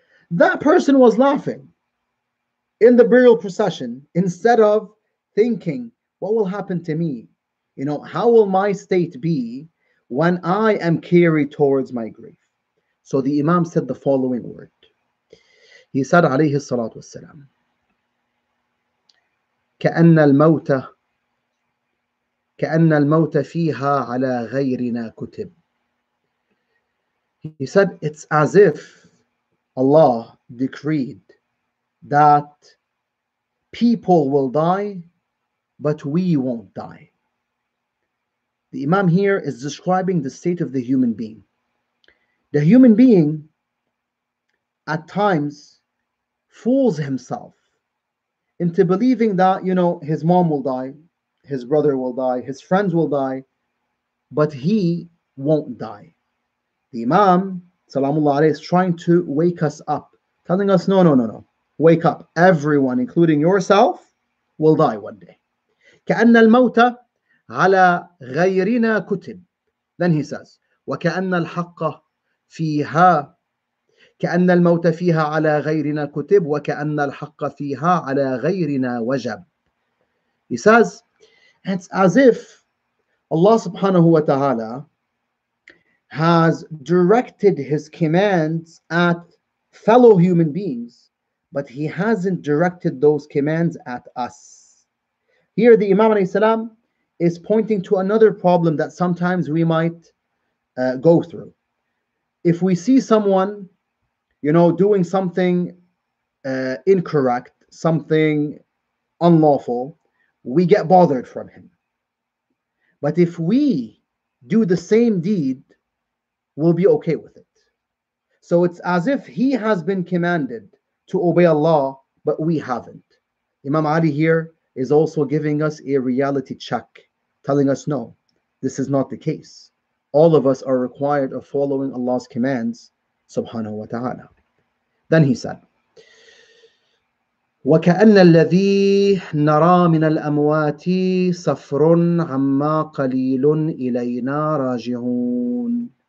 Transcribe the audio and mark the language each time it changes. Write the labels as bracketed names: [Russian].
[English] That person was laughing in the burial procession instead of thinking, what will happen to me? You know, how will my state be when I am carried towards my grave? So the Imam said the following word. He said, [Arabic] alayhi salatu wassalam, كَأَنَّ الْمَوْتَ كَأَنَّ الْمَوْتَ فِيهَا عَلَى غَيْرِنَا كُتِبْ. [English] He said, it's as if Allah decreed that people will die, but we won't die. The Imam here is describing the state of the human being. The human being, at times, fools himself into believing that, you know, his mom will die, his brother will die, his friends will die, but he won't die. The Imam, salamullah alayhi, is trying to wake us up, telling us, no. Wake up, everyone, including yourself, will die one day. [Arabic] كَأَنَّ الْمَوْتَ عَلَى غَيْرِنَا كُتِبْ. Then he says, وَكَأَنَّ الْحَقَّ فِيهَا كَأَنَّ الْمَوْتَ فِيهَا عَلَى غَيْرِنَا كُتِبْ وَكَأَنَّ الْحَقَّ فِيهَا عَلَى غَيْرِنَا وَجَبْ. [English] He says, it's as if Allah subhanahu wa ta'ala has directed his commands at fellow human beings, but he hasn't directed those commands at us. Here the Imam alayhi salam is pointing to another problem that sometimes we might go through. If we see someone, you know, doing something incorrect, something unlawful, we get bothered from him. But if we do the same deed, we'll be okay with it. So it's as if he has been commanded to obey Allah, but we haven't. Imam Ali here is also giving us a reality check, telling us, no, this is not the case. All of us are required of following Allah's commands, subhanahu wa ta'ala. [Arabic] Then he said, وَكَأَنَّ الَّذِي نَرَى مِنَ الْأَمْوَاتِ صَفْرٌ عَمَّا قَلِيلٌ إِلَيْنَا رَاجِعُونَ.